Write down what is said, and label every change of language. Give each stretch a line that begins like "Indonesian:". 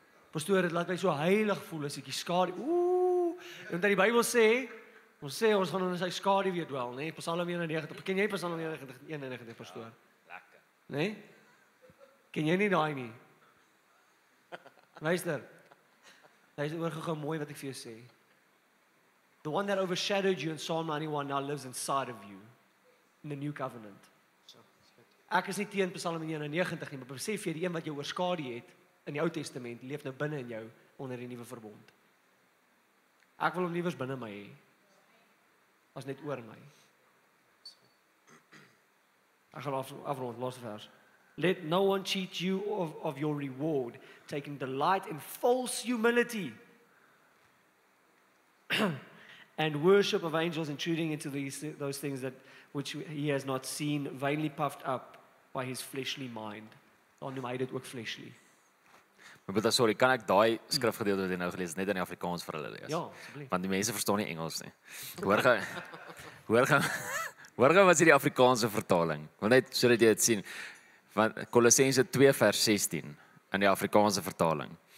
Afrikaans: Pastoor, het laat my so heilig voel as ek die skaduwee. Ooh, en dat die Bybel sê, ons sê ons gaan in sy skaduwee weer dwel, nee, Psalm 91, ken jy Psalm 91, pastoor? Nee? Ken jy nie daai nie? Luister. Luister, oor gou mooi wat ek vir jou sê.
English: The one that overshadowed you in Psalm 91 now lives inside of you. In the new covenant.
Afrikaans: Ek is nie teen Psalm 91 nie, maar besef jy, die een wat jou oorskadu het, in die Ou Testament, leef nou binnen in jou, onder die nieuwe verbond. Ek wil hom liewers binnen my hê. As net oor my. Ek gaan afrond, laaste vers.
English: Let no one cheat you of your reward, taking delight in false humility and worship of angels, intruding into those things that which he has not seen, vainly puffed up by his fleshly mind.
Afrikaans: Dan noem hy dit ook fleshly. But sorry, kan ek die skrifgedeelte wat jy nou gelees, net in die Afrikaans vir hulle lees? Ja, want die mense verstaan nie Engels nie. Hoor gaan wat is die Afrikaanse vertaling? Want net so dat jy het sien, van Kolossense 2 vers 16, in die Afrikaanse vertaling.